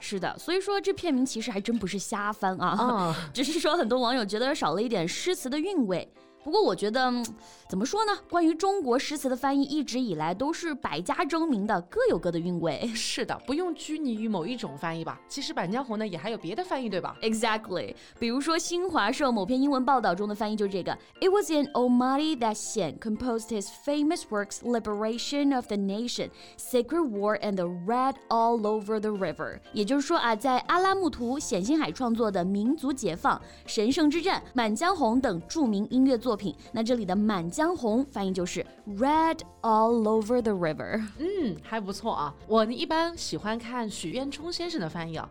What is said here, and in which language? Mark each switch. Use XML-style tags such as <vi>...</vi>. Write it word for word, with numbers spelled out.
<zh>是的，所以说这片名其实还真不是瞎翻啊、嗯、只是说很多网友觉得少了一点诗词的韵味。不过我觉得怎么说呢，关于中国诗词的翻译一直以来都是百家争鸣的，各有各的韵味。是的，不用拘泥于某一种翻译吧，其实《满江红》呢也还有别的翻译对吧？</zh> <en>Exactly，比如说新华社某篇英文报道中的翻译就是这个 It was in Almighty that Xian composed his famous works Liberation of the Nation, Sacred War and the Red All Over the River。</en> <zh>也就是说啊，在阿拉木图冼星海创作的民族解放、神圣之战、满江红等著名音乐作作品，那这里的《满江红》翻译就是 Red all over the river。嗯，还不错啊。我一般喜欢看许渊冲先生的翻译啊，</zh>